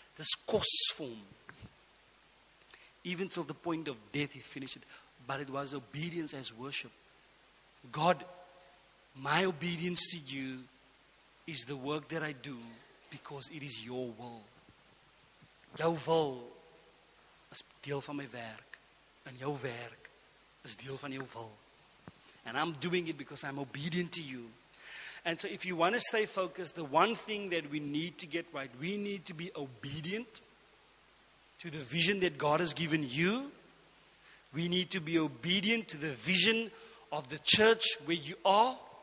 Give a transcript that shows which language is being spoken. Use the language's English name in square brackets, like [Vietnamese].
[English] This course form. Even till the point of death, He finished it. But it was obedience as worship. God, my obedience to You is the work that I do because it is Your will. [Afrikaans] Jou wil is deel van my werk. En jou werk is deel van jou wil. [English] And I'm doing it because I'm obedient to You. And so if you want to stay focused, the one thing that we need to get right, we need to be obedient to the vision that God has given you. We need to be obedient to the vision of the church where you are.